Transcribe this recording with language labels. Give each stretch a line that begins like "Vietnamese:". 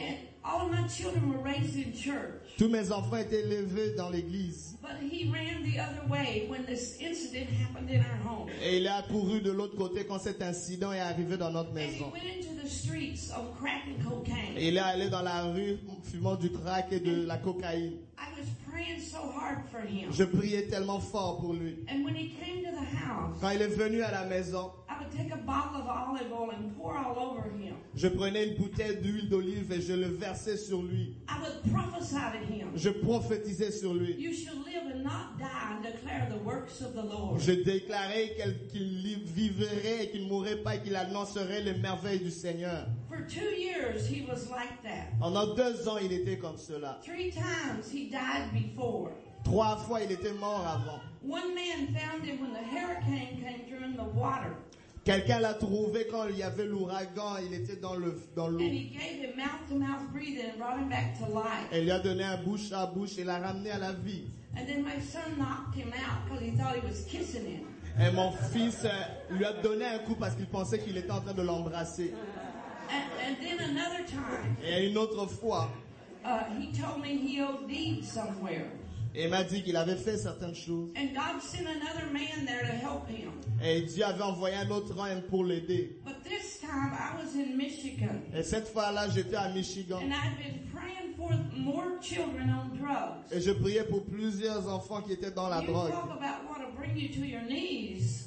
English: And all of my children were raised in church.
French: Tous mes enfants étaient élevés dans l'église.
English: But he ran the other way when this incident happened in our home.
French: Et il a couru de l'autre côté quand cet incident est arrivé dans notre maison.
English: And he went into the streets of crack and cocaine.
French: Et il est allé dans la rue fumant du crack et de la cocaïne.
English: I was praying so hard for him.
French: Je priais tellement fort pour lui.
English: And when he came to the house,
French: quand il est venu à la maison,
English: I would take a bottle of olive oil and pour all over him.
French: Je prenais une bouteille d'huile d'olive et je le versais sur lui.
English: I would prophesy to him.
French: Je prophétisais sur lui.
English: You shall live and not die and declare the works of the Lord.
French: Je déclarais qu'il vivrait et qu'il ne mourrait pas et qu'il annoncerait les merveilles du Seigneur.
English: For 2 years he was like that.
French: Pendant 2 ans il était comme cela.
English: 3 times he died before.
French: 3 fois il était mort avant.
English: One man found him when the hurricane came through in the water.
French: Quelqu'un l'a trouvé quand il y avait l'ouragan, il était dans l'eau.
English: And he gave him mouth-to-mouth breathing and brought him back to life.
French: Et il lui a donné un bouche à bouche et l'a ramené à la vie.
English: And then my son knocked him out because he thought he was kissing him.
French: Et mon fils lui a donné un coup parce qu'il pensait qu'il était en train de l'embrasser.
English: And then another time.
French: Et une autre fois.
English: He told me he OD'd somewhere.
French: Et il m'a dit qu'il avait fait certaines choses.
English: And God sent another man there to help him.
French: Et Dieu avait envoyé un autre homme pour l'aider.
English: But this time I was in Michigan.
French: Et cette fois-là, j'étais à Michigan.
English: And I'd been praying for more children on drugs.
French: Et je priais pour plusieurs enfants qui étaient dans la
English: you
French: drogue.
English: Talk about what to bring you to your knees.